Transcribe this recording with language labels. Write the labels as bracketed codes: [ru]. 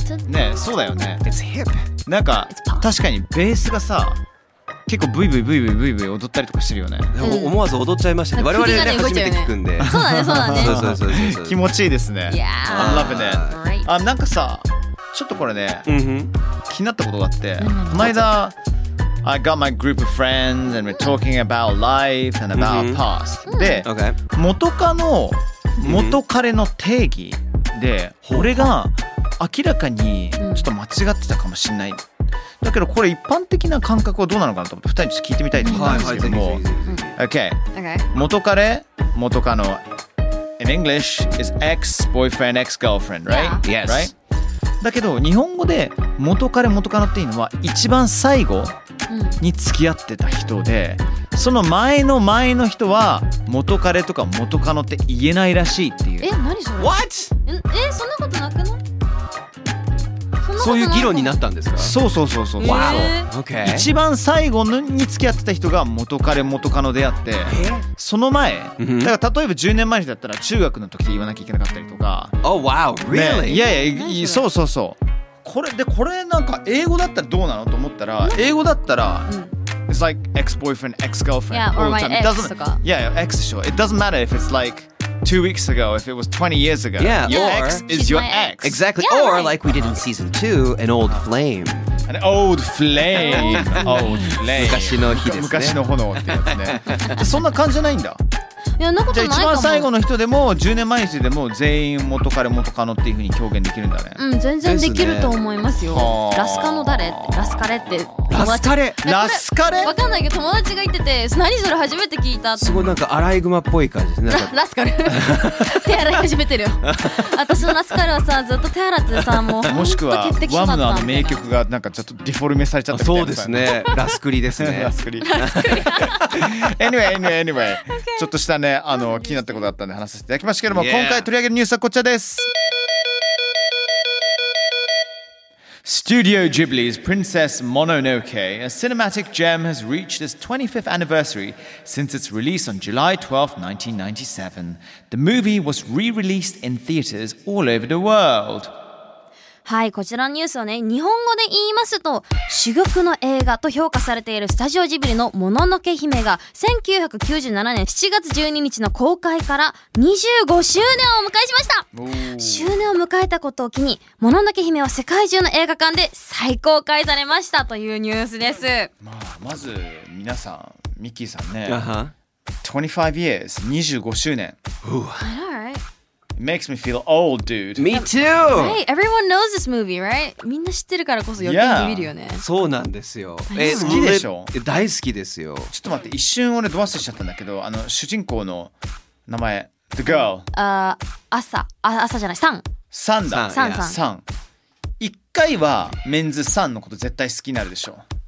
[ja] ね、そうだよね。 [en] It's hip! [ja] なんか、確かにベースがさ、結構ブイブイブイブイブイブイ踊ったりとかしてるよね。うん、思わず踊っちゃいましたね。我々 ね初めて聞くんで。そうだね、そうだね。そうそうそうそう。気持ちいいですね。 [en] Yeah! I love it! Great! [ja] なんかさ、ちょっとこれね、 mm-hmm. 気になったことがあって、この間、 [en] I got my group of friends and we're talking about life and about、mm-hmm. past. で、 okay. [ja] 元カノ、元カレの定義で、mm-hmm. 俺が明らかにちょっと間違ってたかもしれない。だけどこれ一般的な感覚はどうなのかなと思って二人にちょっと聞いてみたいと思うんですけども。 Mm-hmm. [en] Okay. Okay. [ja] 元カレ、元カノ。 [en] In English is ex-boyfriend, ex-girlfriend, right? Yeah. Yes. Right? [ja] だけど日本語で元カレ、元カノっていうのは一番最後に付き合ってた人で、その前の前の人は元カレとか元カノって言えないらしいっていう。え、何それ [en] ？What？ [ja] え、そんなことなくの？そういう議論になったんですか？そうそうそうそう。わお。 [en] Okay。 [ja] 一番最後に付き合ってた人が元カレ、元カノであって、その前、だから例えば10年前だったら中学の時で言わなきゃいけなかったりとか。 [en] Oh wow, really？ [ja] いやいや、そうそうそう。これでこれなんか英語だったらどうなのと思ったら、英語だったら、うん、 [en] It's like ex-boyfriend, ex-girlfriend yeah, all the time. It doesn't, yeah, yeah, ex, sure. It doesn't matter if it's like two weeks ago, if it was 20 years ago. Yeah, your ex is your ex. Exactly. Yeah, or like we did in season 2, an old flame. An old flame. old flame. [ja] 昔の火ですね。昔の炎ってやつね。そんな感じじゃないんだ。いや、なことないかも。一番最後の人でも10年前の人でも全員元彼元カノっていう風に表現できるんだね。うん、全然できると思いますよ。すね、ラスカノ誰って、ラスカレって。ラスカレ、ラスカレ。わかんないけど友達が言ってて、何それ初めて聞いた。すごいなんかアライグマっぽい感じですね。ラスカレ。手洗い始めてるよ。私のラスカレはさ、ずっと手洗ってさ、もう。もしくはワムの名曲がなんかちょっとディフォルメされちゃったみたいな。そうですね。ラスクリですね。ラスクリ。 [en] anyway, anyway, anyway. [ja] ちょっとしたね、気になったことがあったんで話させていただきましたけども、今回取り上げるニュースはこちらです。 [en] Studio Ghibli's Princess Mononoke, a cinematic gem, has reached its 25th anniversary since its release on July 12, 1997. The movie was re-released in theaters all over the world. [ja] はい、こちらのニュースをね、日本語で言いますと、珠玉の映画と評価されているスタジオジブリのもののけ姫が1997年7月12日の公開から25周年を迎えしました。周年を迎えたことを機に、もののけ姫は世界中の映画館で再公開されましたというニュースです。まあ、まず皆さん、ミッキーさんね、 25 years、 25周年。 [en] All right。 It makes me feel old, dude. Me too! Right, everyone knows this movie, right? [ja] みんな知ってるからこそ余計に見るよね。 Yeah. そうなんですよ。好きでしょ？大好きですよ。ちょっと待って、一瞬俺ド忘れしちゃったんだけど、主人公の名前、The Girl。朝じゃない、サン。サンだ。サン、yeah. サン。一回はメンズサンのこと絶対好きになるでしょ。